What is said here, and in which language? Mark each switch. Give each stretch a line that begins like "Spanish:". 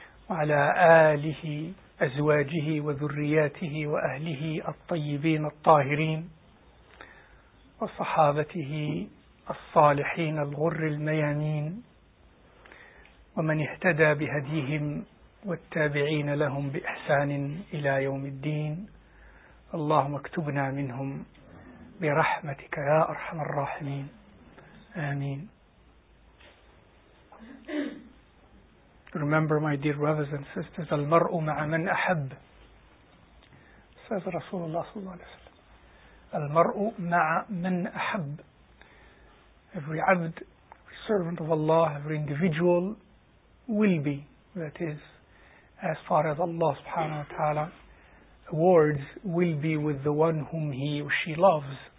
Arabic: وعلى آله أزواجه وذرياته وأهله الطيبين الطاهرين وصحابته الصالحين الغر الميامين ومن اهتدى بهديهم والتابعين لهم بإحسان إلى يوم الدين. اللهم اكتبنا منهم برحمتك يا أرحم الراحمين، آمين.
English: Remember, my dear brothers and sisters,
Arabic: المرء مع من أحب.
English: Says Rasulullah صلى الله عليه وسلم.
Arabic: المرء مع من أحب.
English: Every عبد, every servant of Allah, every individual will be, that is, as far as Allah subhanahu wa ta'ala awards, will be with the one whom he or she loves.